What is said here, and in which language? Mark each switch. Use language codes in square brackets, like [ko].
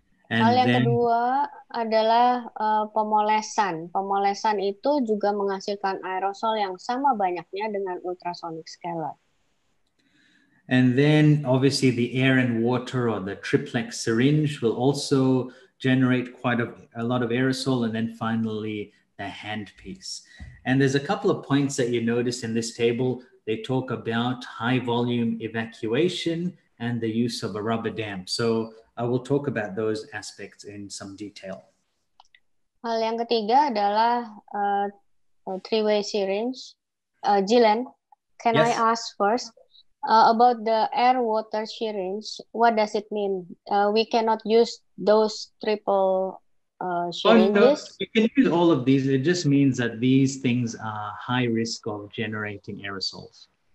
[id] And hal yang then kedua adalah pemolesan. Pemolesan itu juga menghasilkan aerosol yang sama banyaknya dengan ultrasonic scaler. [en] And then obviously the air and water or the triplex syringe will also generate quite a lot of aerosol. And then finally the handpiece. And there's a couple of points that you notice in this table. They talk about high volume evacuation and the use of a rubber dam. So I will talk about those aspects in some detail. [id] Hal yang ketiga adalah three-way syringe. [en] Jilan, can yes. I ask first? About the air water syringe, what does it mean? We cannot use those triple syringes. You can use all of these. It just means that these things are high risk of generating aerosols.